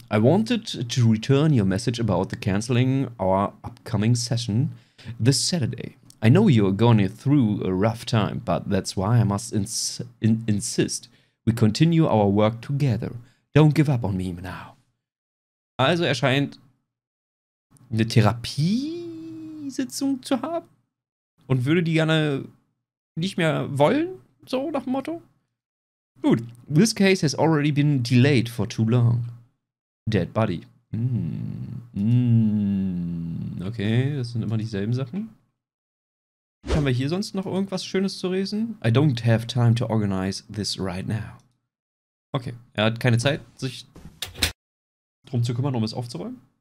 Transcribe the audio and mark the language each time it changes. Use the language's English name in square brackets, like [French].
[English] I wanted to return your message about the canceling our upcoming session this Saturday. I know you're going through a rough time, but that's why I must insist we continue our work together. Don't give up on me now. [German] Also, er scheint eine Therapiesitzung zu haben und würde die gerne nicht mehr wollen, so nach dem Motto. [English] Gut, this case has already been delayed for too long. Dead body. [German] Okay, das sind immer dieselben Sachen. Haben wir hier sonst noch irgendwas Schönes zu lesen? [English] I don't have time to organize this right now. [German] Okay, er hat keine Zeit, sich drum zu kümmern, um es aufzuräumen.